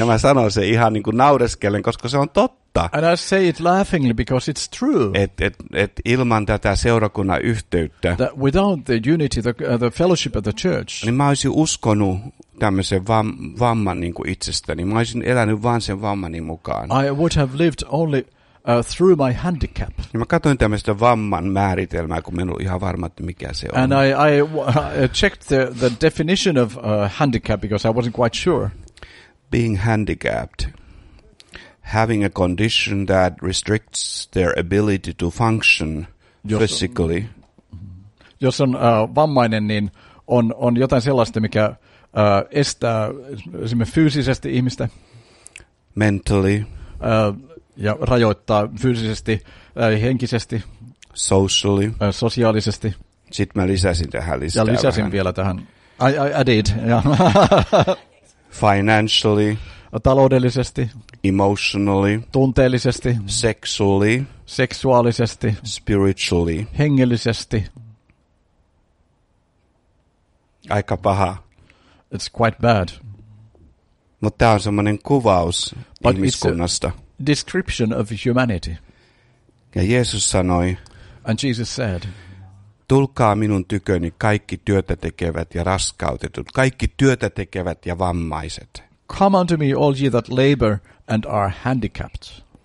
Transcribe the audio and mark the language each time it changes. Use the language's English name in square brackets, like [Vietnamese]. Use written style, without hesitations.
[Finnish] Ja mä sanon se ihan niin kuin naureskellen, koska se on totta. [English] And I say it laughingly because it's true. [Finnish] Et ilman tätä seurakunnan yhteyttä. [English] That without the unity, the fellowship of the church. [Finnish] Niin mä olisin uskonut tämmöisen vamman niin kuin itsestäni. Mä olisin elänyt vaan sen vammani mukaan. [English] I would have lived only through my handicap. [Finnish] Ja mä katsoin tämmöistä vamman määritelmää, kun en ollut ihan varma, että mikä se on. [English] And I checked the definition of handicap because I wasn't quite sure. Being handicapped. Having a condition that restricts their ability to function physically. [Finnish] Jos on vammainen, niin on jotain sellaista, mikä estää esimerkiksi fyysisesti ihmistä. [English] Mentally. [Finnish] Ja rajoittaa fyysisesti, henkisesti, [English] socially, [Finnish] sosiaalisesti. Sitten mä lisäsin tähän listaa. Ja lisäsin vähän. Vielä tähän. [English] I added. Yeah. Financially, [Finnish] taloudellisesti, [English] emotionally, [Finnish] tunteellisesti, [English] sexually, [Finnish] seksuaalisesti, [English] spiritually, [Finnish] hengellisesti. Aika paha. [English] It's quite bad. [Finnish] Mutta tämä on semmoinen kuvaus [English] But [Finnish] ihmiskunnasta. [English] Description of humanity. [Finnish] Ja Jeesus sanoi, [English] and Jesus said, [Finnish] tulkaa minun tyköni kaikki työtä tekevät ja raskautetut, kaikki työtä tekevät ja vammaiset. [English] Come unto me all ye that labor and are handicapped.